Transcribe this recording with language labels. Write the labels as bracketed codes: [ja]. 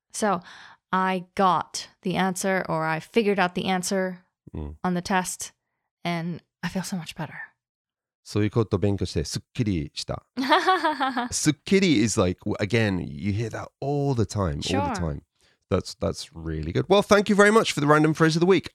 [en] So,I got the answer or I figured out the answer on the test and I feel so much better. [ja] そういうことを勉強してすっきりした。 [en] すっきり is like, again, you hear that all the time, sure. all the time. That's really good. Well, thank you very much for the random phrase of the week.